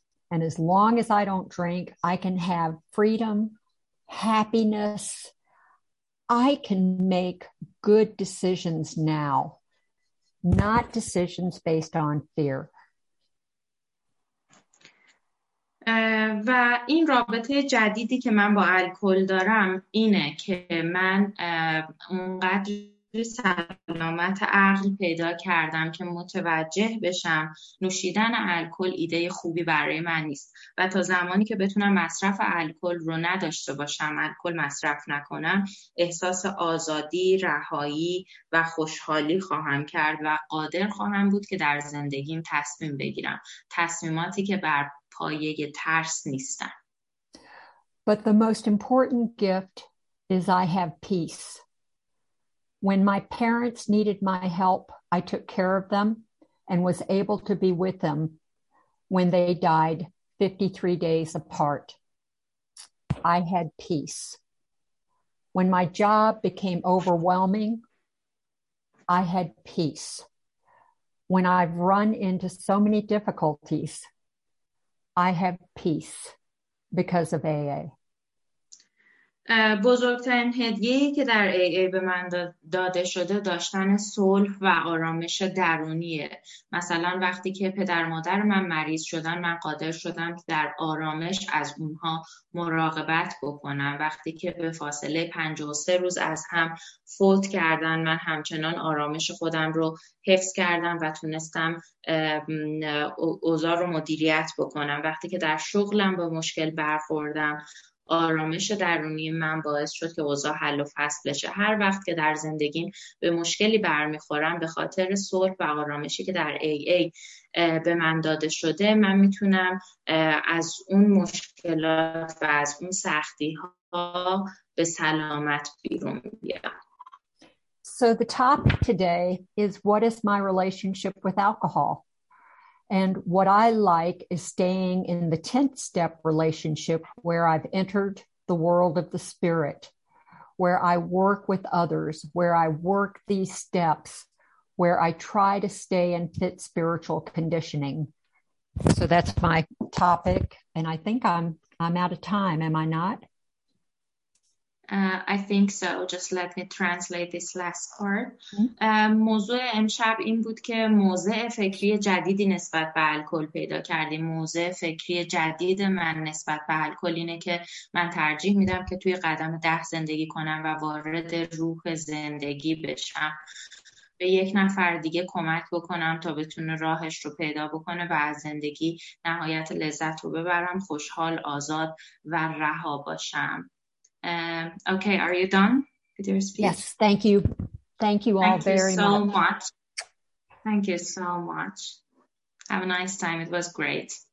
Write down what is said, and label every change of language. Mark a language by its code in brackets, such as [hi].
[en] And as long as I don't drink, I can have freedom, happiness. I can make good decisions now, not decisions based on fear. [fa] و این رابطه جدیدی که من با الکل دارم اینه که من اونقدر سلامت عقل پیدا کردم که متوجه بشم نوشیدن الکل ایده خوبی برای من نیست و تا زمانی که بتونم مصرف الکل رو نداشته باشم، الکل مصرف نکنم، احساس آزادی، رهایی و خوشحالی خواهم کرد و قادر خواهم بود که در زندگیم تصمیم بگیرم، تصمیماتی که بر پایه ترس نیستن. [en] But the most important gift is I have peace. When my parents needed my help, I took care of them and was able to be with them when they died 53 days apart. I had peace. When my job became overwhelming, I had peace. When I've run into so many difficulties, I have peace because of AA. [fa] بزرگترین هدیه‌ای که در AA به من داده شده داشتن صلح و آرامش درونیه. مثلا وقتی که پدر مادر من مریض شدن، من قادر شدم در آرامش از اونها مراقبت بکنم. وقتی که به فاصله 53 روز از هم فوت کردن، من همچنان آرامش خودم رو حفظ کردم و تونستم اوضاع رو مدیریت بکنم. وقتی که در شغلم به مشکل برخوردم، آرامش درونی من باعث شد که اوضاع حل و فصل بشه. هر وقت که در زندگیم به مشکلی برمیخورم، به خاطر صلح و آرامشی که در AA به من داده شده، من میتونم از اون مشکلات و از اون سختی ها به سلامت بیرون بیام. [en] So the topic today is what is my relationship with alcohol? And what I like is staying in the 10th step relationship where I've entered the world of the spirit, where I work with others, where I work these steps, where I try to stay in fit spiritual conditioning. So that's my topic. And I think I'm out of time, am I not? I think so. Just let me translate this last part. [fa] موضوع امشب این بود که موضع فکری جدیدی نسبت به الکل پیدا کردیم. موضع فکری جدید من نسبت به الکل اینه که من ترجیح میدم که توی قدم 10 زندگی کنم و وارد روح زندگی بشم. به یک نفر دیگه کمک بکنم تا بتونه راهش رو پیدا بکنه و از زندگی نهایت لذت رو ببرم، خوشحال، آزاد و رها باشم. [en] Okay, are you done with your speech? Yes, thank you. Thank you all thank very you so much. Much. Thank you so much. Have a nice time. It was great.